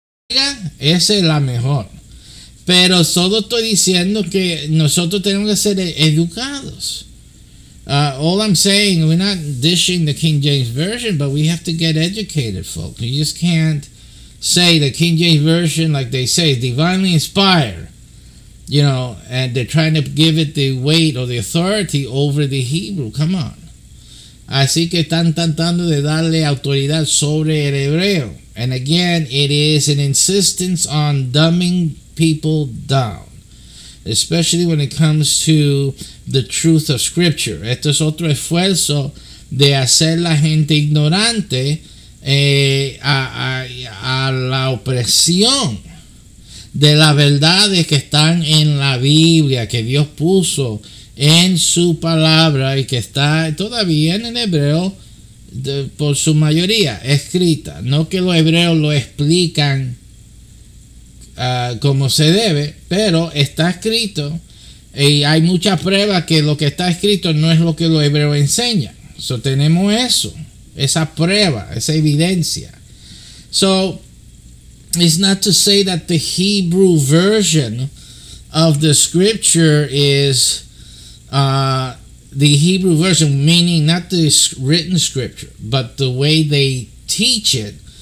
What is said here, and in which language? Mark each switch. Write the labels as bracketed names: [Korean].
[Spanish] juega, esa es la mejor. Pero solo estoy diciendo que nosotros tenemos que ser educados. [English] All I'm saying, we're not dishing the King James Version, but we have to get educated, folks. You just can't say the King James Version, like they say, is divinely inspired. You know, and they're trying to give it the weight or the authority over the Hebrew. Come on. [Spanish] Así que están tratando de darle autoridad sobre el hebreo. [English] And again, it is an insistence on dumbing people down. Especially when it comes to the truth of scripture. [Spanish] Esto es otro esfuerzo de hacer la gente ignorante a la opresión de la verdad que están en la Biblia, que Dios puso en su palabra y que está todavía en hebreo por su mayoría escrita. No que los hebreos lo explican como se debe, pero está escrito y hay muchas pruebas que lo que está escrito no es lo que los hebreos enseñan. So tenemos eso, esa prueba, esa evidencia. [English] So it's not to say that the Hebrew version of the scripture is the Hebrew version, meaning not the written scripture, but the way they teach it.